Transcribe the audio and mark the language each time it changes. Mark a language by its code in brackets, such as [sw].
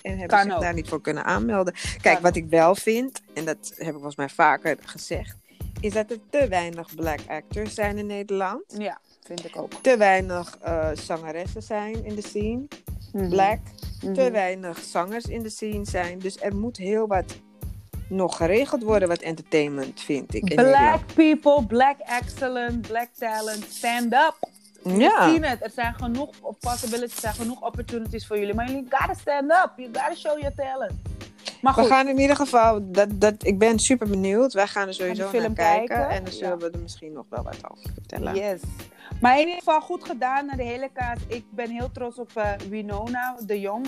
[nl] En hebben zich daar niet voor kunnen aanmelden. Kijk, wat ik wel vind, en dat heb ik volgens mij vaker gezegd, is dat er te weinig black actors zijn in Nederland. Ja. Vind ik ook. Te weinig zangeressen zijn in de scene. Mm-hmm. Black. Mm-hmm. Te weinig zangers in de scene zijn. Dus er moet heel wat nog geregeld worden wat entertainment, vind ik. [en] Black people, black excellent, black talent, stand up. [nl] Ja. We zien het. Er zijn genoeg possibilities, er zijn genoeg opportunities voor jullie. Maar jullie [en] gotta stand up. You gotta show your talent. [nl] We gaan in ieder geval, ik ben super benieuwd. Wij gaan er sowieso naar kijken. En dan zullen we er misschien nog wel wat over vertellen. Yes. Maar in ieder geval goed gedaan naar de hele kaart. Ik ben heel trots op Winona de Jong.